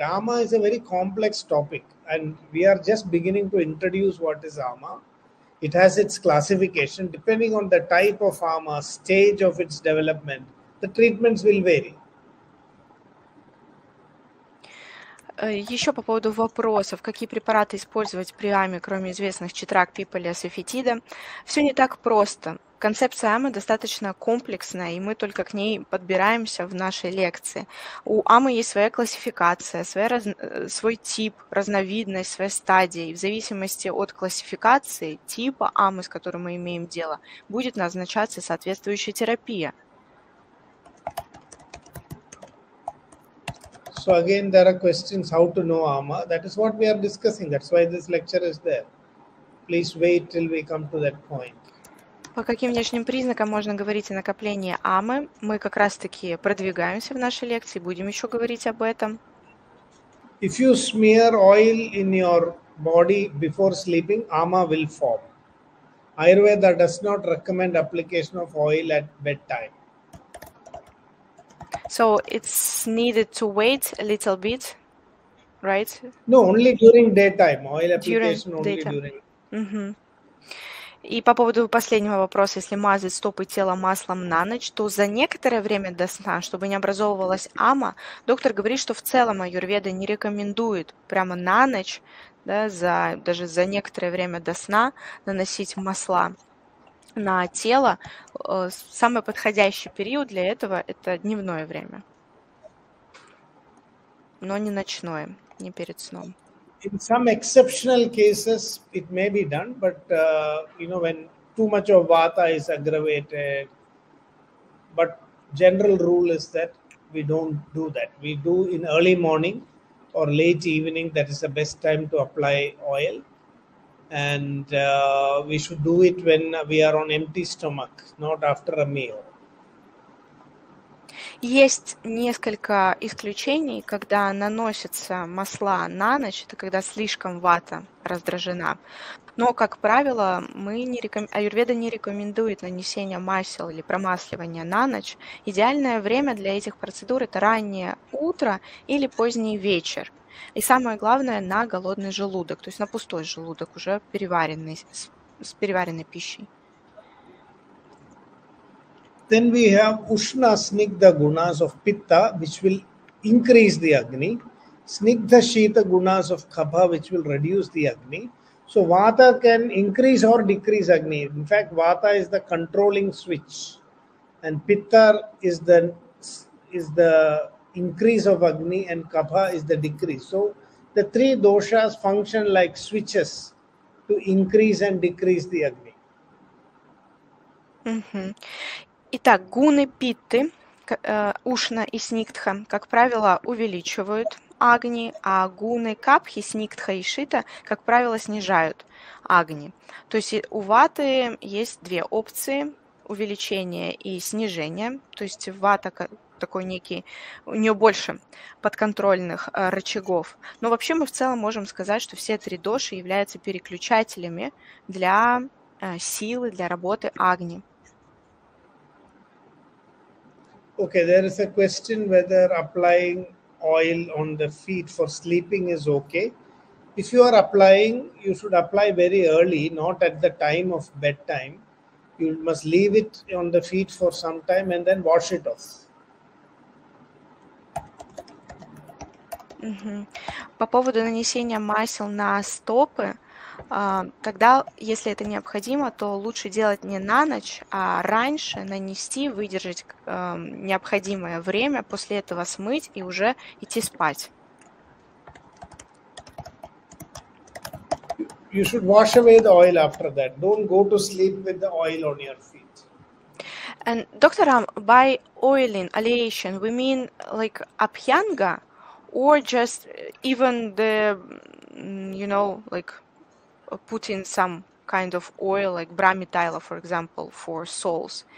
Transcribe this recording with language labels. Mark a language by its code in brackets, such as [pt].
[en] Ama is a very complex topic and we are just beginning to introduce what is Ama. It has its classification. Depending on the type of Ama, stage of its development, the treatments will vary. [ru] Еще по поводу вопросов, какие препараты использовать при Аме, кроме известных Читрак, Пипали, Асафетида. Все не так просто. Концепция Амы достаточно комплексная, и мы только к ней подбираемся в нашей лекции. У Амы есть своя классификация, свой тип, разновидность, своя стадия. И в зависимости от классификации, типа Амы, с которым мы имеем дело, будет назначаться соответствующая терапия. [en] So again, there are questions how to know Ama. That is what we are discussing. That's why this lecture is there. Please wait till we come to that point. [ru] По каким внешним признакам можно говорить о накоплении Амы? Мы как раз-таки продвигаемся в нашей лекции, будем еще говорить об этом. [en] If you smear oil in your body before sleeping, Ama will form. Ayurveda does not recommend application of oil at bedtime. So it's needed to wait a little bit, right? No, only during daytime. Oil application only daytime. During. Mm-hmm. [ru] И по поводу последнего вопроса, если мазать стопы тела маслом на ночь, то за некоторое время до сна, чтобы не образовывалась ама, доктор говорит, что в целом аюрведа не рекомендует прямо на ночь, да, даже за некоторое время до сна наносить масла на тело. Самый подходящий период для этого – это дневное время, но не ночное, не перед сном. [en] In some exceptional cases, it may be done, but you know, when too much of vata is aggravated, but general rule is that we don't do that. We do in early morning or late evening, that is the best time to apply oil. And we should do it when we are on empty stomach, not after a meal. [ru] Есть несколько исключений, когда наносятся масла на ночь, это когда слишком вата раздражена. Но, как правило, аюрведа не рекомендует нанесение масел или промасливания на ночь. Идеальное время для этих процедур – это раннее утро или поздний вечер. И самое главное – на голодный желудок, то есть на пустой желудок, уже переваренный, с переваренной пищей. [en] Then we have Ushna Snigdha Gunas of Pitta, which will increase the Agni. Snigdha Shita Gunas of Kapha, which will reduce the Agni. So Vata can increase or decrease Agni. In fact, Vata is the controlling switch. And Pitta is the increase of Agni and Kapha is the decrease. So the three doshas function like switches to increase and decrease the Agni. Mm-hmm. [ru] Итак, гуны питты, ушна и сникдха, как правило, увеличивают агни, а гуны капхи, сникдха и шита, как правило, снижают агни. То есть у ваты есть две опции – увеличение и снижение. То есть вата такой некий, у нее больше подконтрольных рычагов. Но вообще мы в целом можем сказать, что все три доши являются переключателями для силы, для работы агни. [en] Okay, there is a question whether applying oil on the feet for sleeping is okay. If you are applying, you should apply very early, not at the time of bedtime. You must leave it on the feet for some time and then wash it off. Mm-hmm. [ru] По поводу нанесения масел на стопы, тогда, если это необходимо, то лучше делать не на ночь, а раньше нанести, выдержать необходимое время, после этого смыть и уже идти спать. [en] You should wash away the oil after that. Don't go to sleep with the oil on your feet. And Dr. Ram, by oiling, aleation, we mean like abhyanga or just even the, you know, like putting some kind of oil, like Brahmi Taila, for example, for souls.